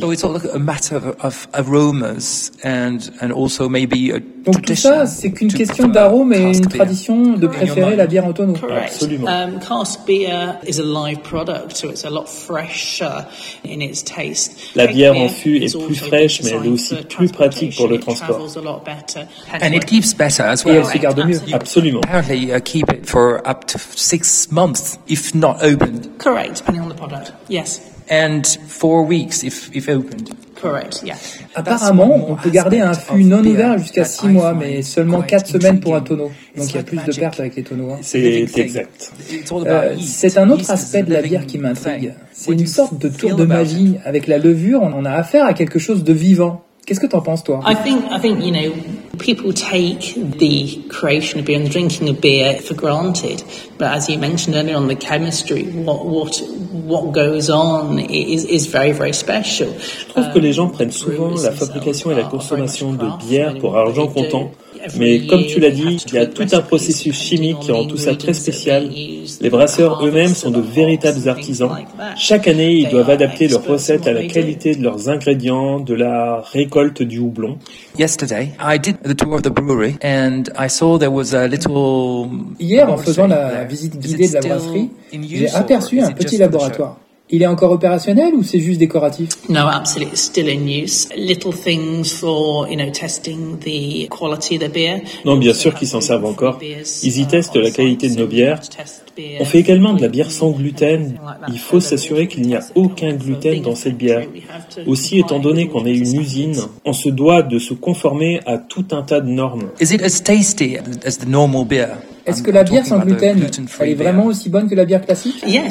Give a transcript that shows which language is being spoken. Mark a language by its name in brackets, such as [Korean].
[French] Donc tout ça, c'est qu'une question d'arôme et une tradition de préférer la bière en tonneau. Absolument. [English] Cask beer is a live product, so it's a lot fresher in its taste. [French] La bière en fût est plus fraîche, mais elle est aussi plus pratique pour le transport. [English] And it keeps better as well. [French] Et elle se garde mieux. Absolument. [English] Apparently, keep it for up to 6 months if not opened. Correct, depending on the product. Yes. And 4 weeks if opened. Correct, yeah. [French] Apparemment, on peut garder un fût non ouvert jusqu'à 6 mois, mais seulement 4 semaines pour un tonneau. Donc il y a plus de pertes avec les tonneaux. Hein. C'est exact. C'est un autre aspect de la bière qui m'intrigue. C'est une sorte de tour de magie. Avec la levure, on a affaire à quelque chose de vivant. Qu'est-ce que t'en penses, toi? [English] I think you know, people take the creation of beer and the drinking of beer for granted. But as you mentioned earlier on the chemistry, what goes on is very, very special. [French] Je trouve que les gens prennent souvent la fabrication et la consommation de bière pour argent comptant. Mais comme tu l'as dit, il y a tout un processus chimique qui rend tout ça très spécial. Les brasseurs eux-mêmes sont de véritables artisans. Chaque année, ils doivent adapter leurs recettes à la qualité de leurs ingrédients, de la récolte du houblon. Hier, en faisant la visite guidée de la brasserie, j'ai aperçu un petit laboratoire. Il est encore opérationnel ou c'est juste décoratif? [English] No, absolutely, it's still in use. Little things for, you know, testing the quality of the beer. [French] Non, bien sûr qu'ils s'en servent encore. Ils y testent la qualité de nos bières. On fait également de la bière sans gluten. Il faut s'assurer qu'il n'y a aucun gluten dans cette bière. Aussi, étant donné qu'on est une usine, on se doit de se conformer à tout un tas de normes. [English] Is it as tasty as the normal beer? [French] Est-ce que la bière sans gluten, elle est vraiment aussi bonne que la bière classique?